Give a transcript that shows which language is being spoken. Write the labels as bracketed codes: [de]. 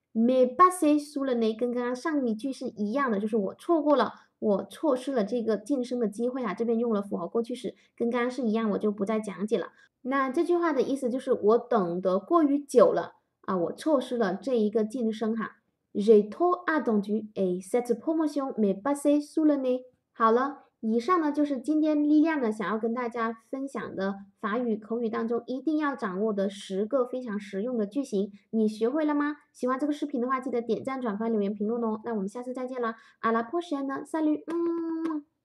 [fr] Mais passé sous le nez [zh] 跟刚刚上一句是一样的，就是我错过了。我错失了这个晋升的机会啊，这边用了复合过去时，跟刚刚是一样，我就不再讲解了。那这句话的意思就是我等得过于久了啊，我错失了这一个晋升哈。 [fr] J'ai trop attendu et cette promotion m'est passée sous le nez。 [zh] 好了，以上呢就是今天力量呢想要跟大家分享的法语口语当中一定要掌握的10个非常实用的句型，你学会了吗？喜欢这个视频的话，记得点赞、转发、留言、评论哦。那我们下次再见了，阿拉波什呢，salut。